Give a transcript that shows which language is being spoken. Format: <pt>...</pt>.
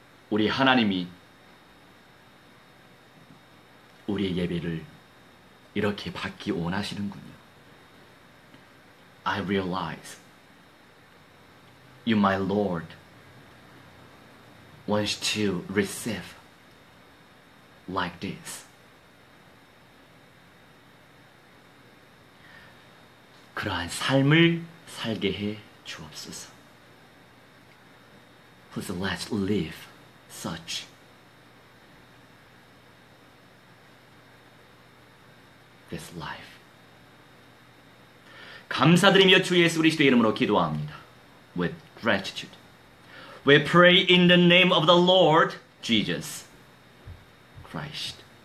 <ko>우리 하나님이 우리의 예배를 이렇게 받기 원하시는군요.</ko> <en>I realize you, my Lord, wants to receive like this.</en> <ko>그러한 삶을 살게 해 주옵소서.</ko> <en>Please let's live such.</en> <ko>감사드리며 주 예수 그리스도의 이름으로 기도합니다.</ko> <en>With gratitude. We pray in the name of the Lord Jesus Christ.</en>